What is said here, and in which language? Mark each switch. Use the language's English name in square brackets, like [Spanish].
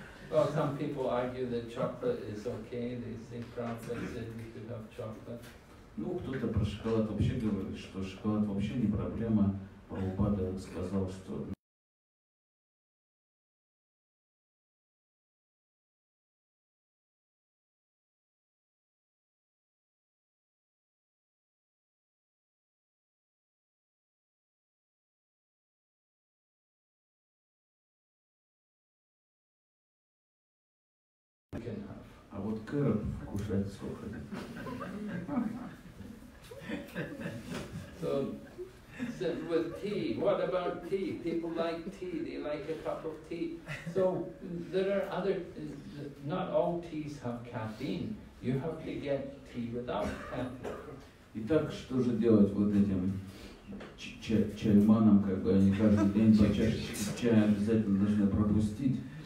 [English] Well, some people argue that chocolate is okay. They think Prabhupada said we could have chocolate. [Russian] Ну, кто-то про шоколад вообще говорит, что шоколад вообще не проблема. Прабхупада сказал, что... А вот кэрот кушать сколько? [English] So, with tea, what about tea? People like tea, they like a cup of tea. So, there are other, not all teas have caffeine. You have to get tea without caffeine. [Russian] Итак, что же делать вот этим чайманам, как бы они каждый день по чашечке чая обязательно должны пропустить.